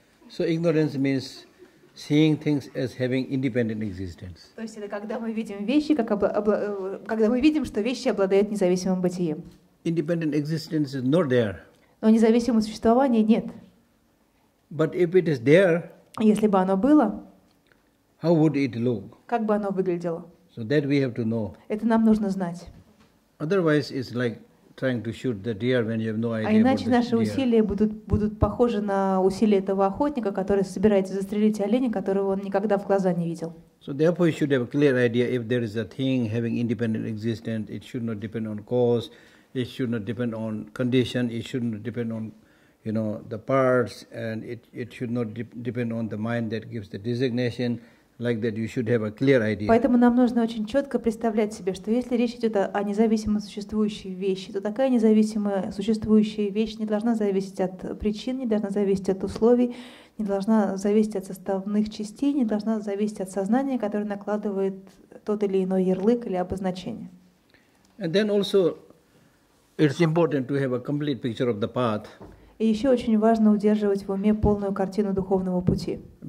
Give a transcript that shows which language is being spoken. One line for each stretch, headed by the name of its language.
English: So ignorance means seeing things as having independent existence.
Russian: То есть это когда мы видим вещи, когда мы видим, что вещи обладают независимым бытием.
English: Independent existence is not there.
Russian: Но независимого существования нет.
English: But if it is there,
Russian: если бы оно было,
English: how would it look?
Russian: Как бы оно выглядело?
English: So that we have to know.
Russian: Это нам нужно знать.
English: Otherwise, it's like trying to shoot the deer when you have no idea about it.
Russian: А иначе наши усилия будут похожи на усилия этого охотника, который собирается застрелить оленя, которого он никогда в глаза не видел.
English: So therefore, you should have a clear idea if there is a thing having independent existence. It should not depend on cause. It should not depend on condition. It should not depend on, you know, the parts, and it should not depend on the mind that gives the designation. like that, you should have a clear idea.
Russian: Поэтому нам нужно очень четко представлять себе, что если речь идет о независимо существующей вещи, то такая независимая существующая вещь не должна зависеть от причин, не должна зависеть от условий, не должна зависеть от составных частей, не должна зависеть от сознания, которое накладывает тот или иной ярлык или обозначение.
English: And then also, it's important to have a complete picture of the path.
Russian: И еще очень важно удерживать в уме полную картину духовного пути.